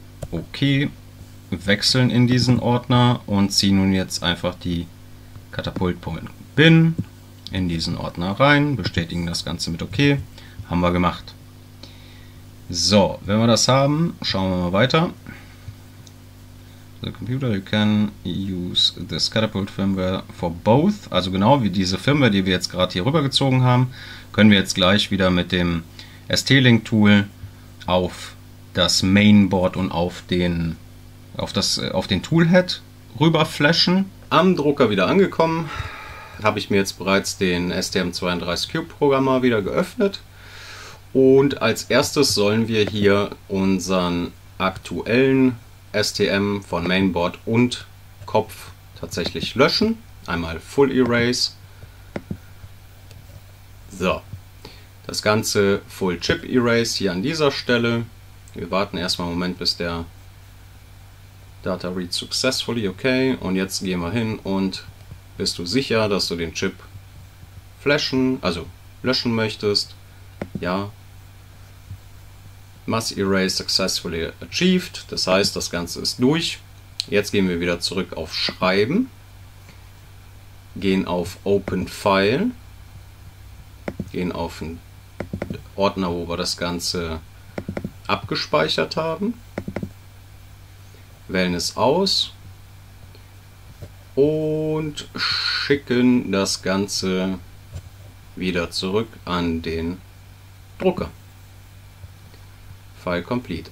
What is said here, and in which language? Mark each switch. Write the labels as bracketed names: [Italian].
[German] Okay, wechseln in diesen Ordner und ziehen nun jetzt einfach die Katapult.bin in diesen Ordner rein, bestätigen das Ganze mit OK, haben wir gemacht. So, wenn wir das haben, schauen wir mal weiter. [English] The computer, you can use this Katapult Firmware for both. [German] Also genau wie diese Firmware, die wir jetzt gerade hier rübergezogen haben, können wir jetzt gleich wieder mit dem ST-Link-Tool auf das Mainboard und auf den Toolhead rüberflashen. Am Drucker wieder angekommen, habe ich mir jetzt bereits den STM32Cube-Programmer wieder geöffnet. Und als erstes sollen wir hier unseren aktuellen STM von Mainboard und Kopf tatsächlich löschen. Einmal Full Erase. So, das Ganze Full Chip Erase hier an dieser Stelle. Wir warten erstmal einen Moment, bis der [English] Data Read successfully okay. [German] Und jetzt gehen wir hin und bist du sicher, dass du den Chip flashen, also löschen möchtest? Ja. [English] Mass Erase successfully achieved. [German] Das heißt, das Ganze ist durch. Jetzt gehen wir wieder zurück auf Schreiben. Gehen auf Open File. Gehen auf den Ordner, wo wir das Ganze abgespeichert haben, wählen es aus und schicken das Ganze wieder zurück an den Drucker. [English] File complete.